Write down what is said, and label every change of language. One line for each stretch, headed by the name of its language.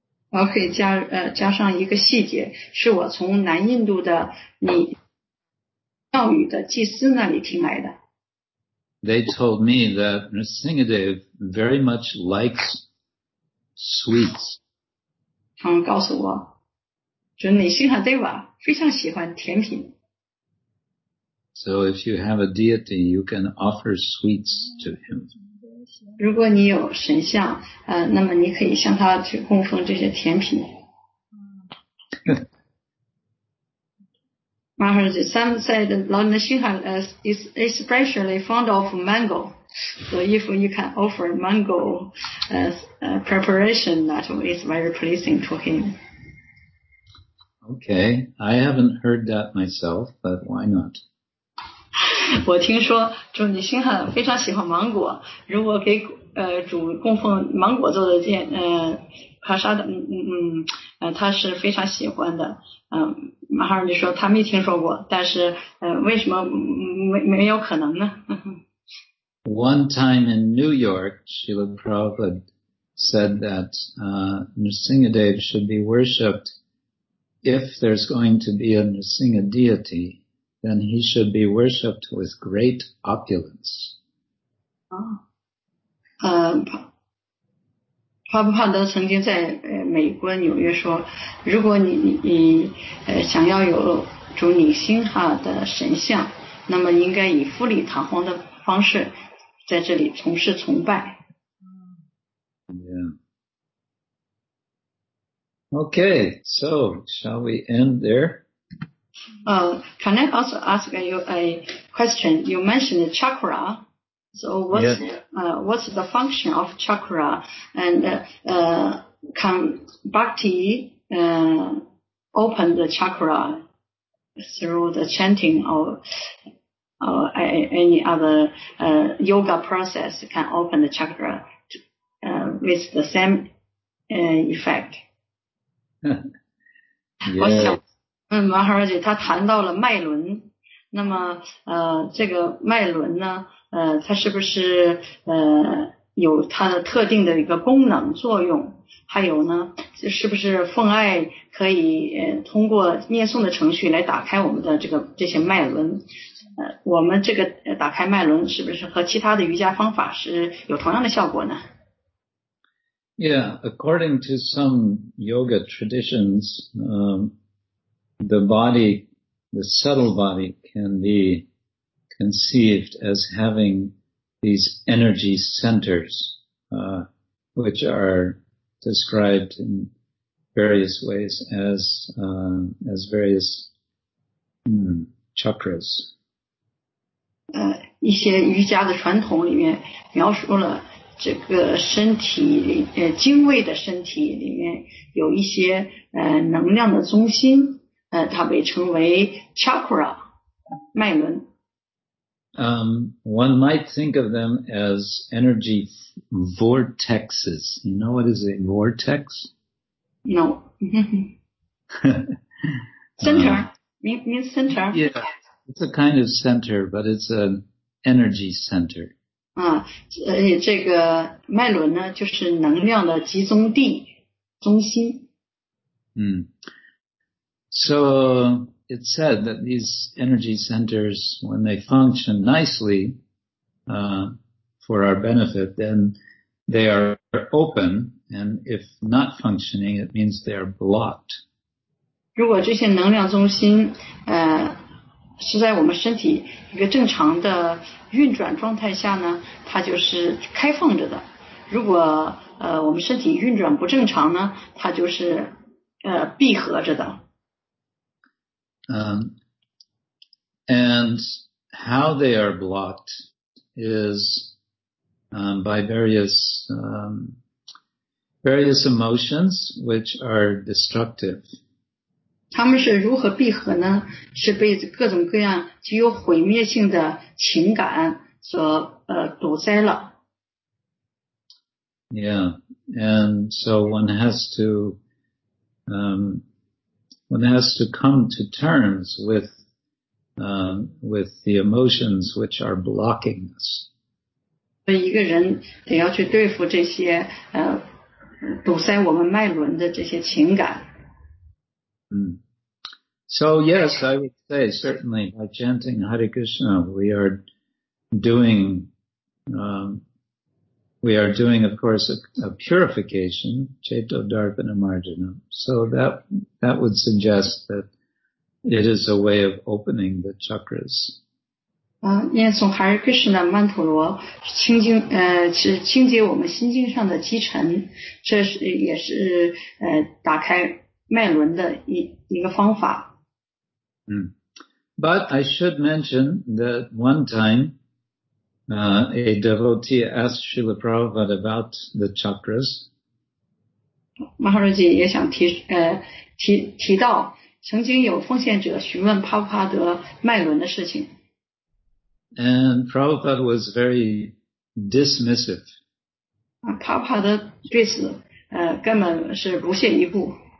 Chinese: 我可以 加上一个细节，是我从南印度的庙宇的祭司那里听来的。
English: They told me that Nrsingadev very much likes sweets.
Chinese: 他们告诉我，就是Nrsingha Deva非常喜欢甜品。
English: So if you have a deity, you can offer sweets to him.
Chinese: 如果你有神像，那么你可以向他去供奉这些甜品。
English: Maharaj, some said Lord Narsingha is especially fond of mango. So if you can offer mango as a preparation, that is very pleasing to him. Okay, I haven't heard that myself, but why not?
Chinese: 我听说主你心很非常喜欢芒果，如果给主供奉芒果做的剑，帕沙的他是非常喜欢的。马哈尔尼说他没听说过，但是为什么没有可能呢？
English: One time in New York, Srila Prabhupada said that Nrsingadeva should be worshipped. If there's going to be a Nrsinga deity, then he should be worshipped with great opulence.
Chinese: Prabhupada 曾经在美国纽约说，如果你想要有主你心哈的神像，那么应该以富丽堂皇的方式在这里从事崇拜。
English: Yeah. Okay, so shall we end there? Can I also ask you a question? You mentioned the chakra. So what's the function of chakra? And can bhakti open the chakra through the chanting or any other yoga process can open the chakra to, with the same effect? Yes.
Chinese: 马哈拉姐他谈到了脉轮，那么这个脉轮呢，它是不是有它的特定的一个功能作用？还有呢，是不是奉爱可以通过念诵的程序来打开我们的这些脉轮？我们这个打开脉轮是不是和其他的瑜伽方法是有同样的效果呢？
English: Yeah, according to some yoga traditions, the body, the subtle body, can be conceived as having these energy centers, which are described in various ways as various chakras.
Chinese: 一些瑜伽的传统里面描述了这个身体精微的身体里面有一些能量的中心。它被称为 chakra, 脉轮。
English: One might think of them as energy vortexes. You know what is a vortex? No. Center. Means center. Yeah, it's a kind of center, but it's an energy center.
Chinese: 这个脉轮呢，就是能量的集中地，中心。
English: So it's said that these energy centers, when they function nicely for our benefit, then they are open, and if not functioning, it means they are blocked.
Chinese: 如果这些能量中心是在我们身体一个正常的运转状态下呢，它就是开放着的。如果我们身体运转不正常呢，它就是闭合着的。
English: And how they are blocked is by various emotions which are destructive.
Chinese: 他们是如何闭合呢？是被各种各样具有毁灭性的情感所堵塞了。
English: Yeah, and so one has to One has to come to terms with the emotions which are blocking us.
Chinese: 一个人得要去对付这些堵塞我们脉轮的这些情感。
English: So yes, I would say certainly by chanting Hare Krishna, we are doing, of course, a purification,
Sanskrit: Cheto Darpana Marjanam.
English: So that would suggest that it is a way of opening the chakras.
Chinese: 念诵 Hare Krishna Mantra 是清洁我们心经上的积尘，这也是打开脉轮的一个方法。
English: But I should mention that one time, a devotee asked Srila Prabhupada about the chakras.
Chinese: Maharaji 也想提到曾经有奉献者询问帕帕德麦伦的事情。
English: And Prabhupada was very dismissive.
Chinese: 帕帕德对此根本是不屑一顾。